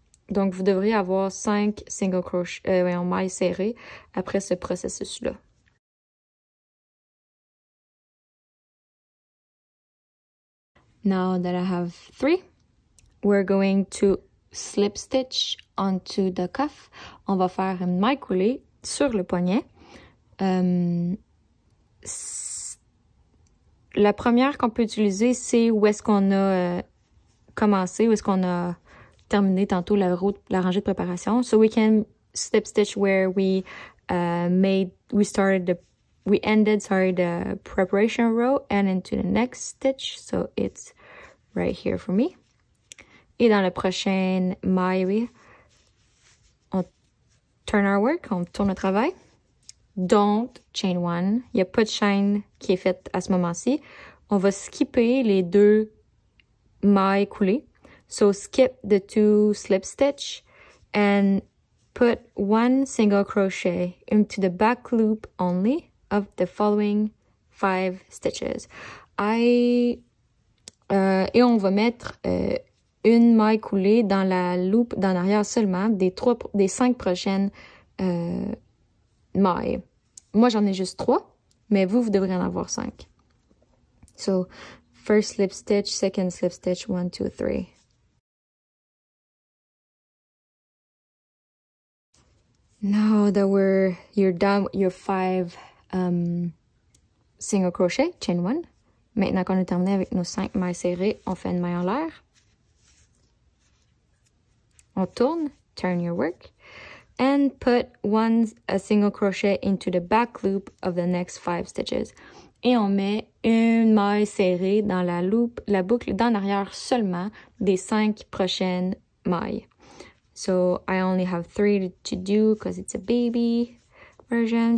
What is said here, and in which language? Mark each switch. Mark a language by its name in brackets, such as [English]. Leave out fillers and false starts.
[French] Donc, vous devriez avoir 5 single crochet en maille serrée après ce processus-là. [English] Now that I have 3, we're going to slip stitch onto the cuff. [French] On va faire une maille coulée sur le poignet. La première qu'on peut utiliser, c'est où est-ce qu'on a commencer, où est-ce qu'on a terminé tantôt la rangée de préparation. [English] So we can slip stitch where we ended the preparation row and into the next stitch. So it's right here for me. [French] Et dans la prochaine maille, on [English] turn our work, [French] on tourne le travail. [English] Don't chain one. [French] Il n'y a pas de chaîne qui est faite à ce moment-ci. On va skipper les deux maille coulée. [English] So skip the 2 slip stitch and put 1 single crochet into the back loop only of the following 5 stitches. [French] Et on va mettre une maille coulée dans la loop d'en arrière seulement des 5 prochaines mailles. Moi j'en ai juste 3, mais vous devriez en avoir 5. [English] So first slip stitch, second slip stitch, 1, 2, 3. Now that you're done with your 5 single crochet, chain 1. [French] Maintenant qu'on a terminé avec nos 5 mailles serrées, on fait une maille en l'air. On tourne, [English] turn your work, and put a single crochet into the back loop of the next 5 stitches. [French] Et on met une maille serrée dans la boucle d'en arrière seulement des 5 prochaines mailles. [English] So I only have 3 to do because it's a baby version.